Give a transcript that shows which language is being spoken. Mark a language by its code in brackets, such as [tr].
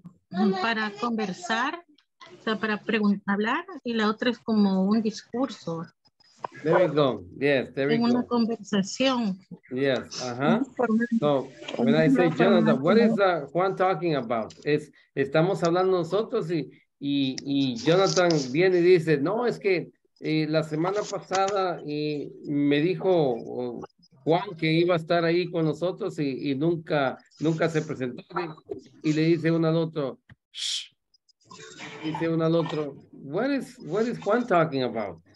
[es] Para conversar, o sea, para preguntar, hablar, y la otra es como un discurso. [en] There we go. Yes, there we go. [es] Una conversación. [en] Yes, uh-huh. So, when I say Jonathan, what is Juan talking about? [es] Estamos hablando nosotros y Jonathan viene y dice, no, es que la semana pasada y me dijo Juan, que iba a estar ahí con nosotros y nunca se presentó. Y le dice uno al otro, shh. Dice uno al otro, [en] what is Juan talking about?